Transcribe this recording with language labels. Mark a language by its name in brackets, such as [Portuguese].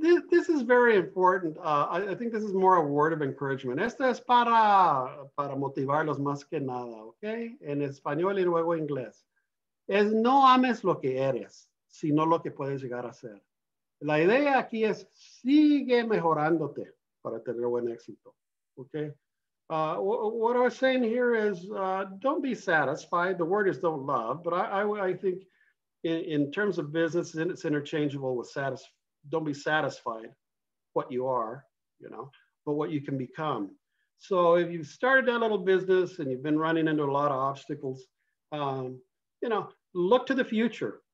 [English] This is very important. I think this is more a word of encouragement. [Spanish] Esto es para motivarlos más que nada, okay? En español y luego inglés. Es no ames lo que eres, sino lo que puedes llegar a ser. La idea aquí es sigue mejorándote para tener buen éxito. Okay. [English] What I was saying here is don't be satisfied. The word is don't love, but I think in terms of business, it's interchangeable with don't be satisfied what you are, you know, but what you can become. So if you've started that little business and you've been running into a lot of obstacles, you know, look to the future.